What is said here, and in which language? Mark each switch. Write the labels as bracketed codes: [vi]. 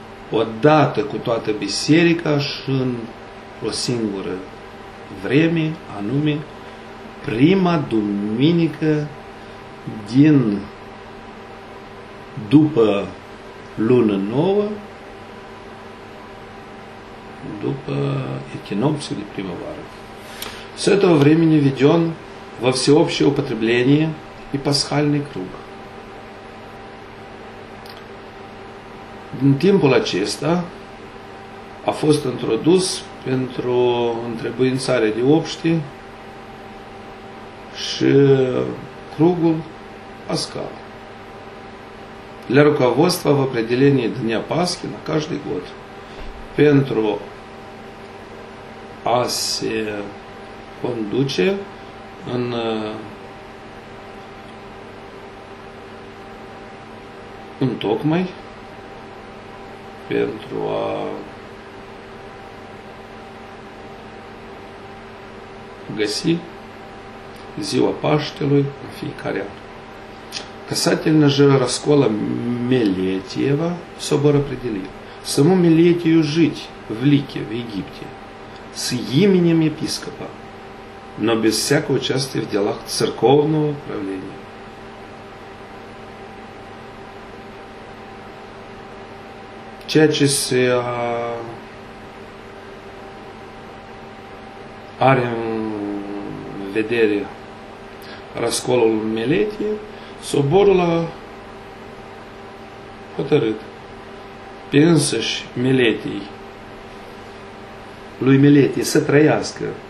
[ro] odată cu toată biserica și în o singură vreme, anume prima duminică din după lună nouă, după echinocțiul de primăvară. [ru] С этого времени введен во всеобщее употребление и пасхальный круг. [ro] Timpul acesta a fost introdus pentru întrebuințarea de obște și кругul пасхал. [ru] Для руководства в определении Дня Пасхи на каждый год. [ro] Pentru a se conduce în tocmai pentru a găsi ziua Paștelui în fiecare an. [ru] Касательно же раскола Мелетиева, собор определил, саму Мелетию жить в Лике, в Египте, с именем епископа, но без всякого участия в делах церковного правления. [ro] Ceea ce se are în vedere răscolul Meletie, soborul a hotărât pe însăși Meletii, lui Meletie, să trăiască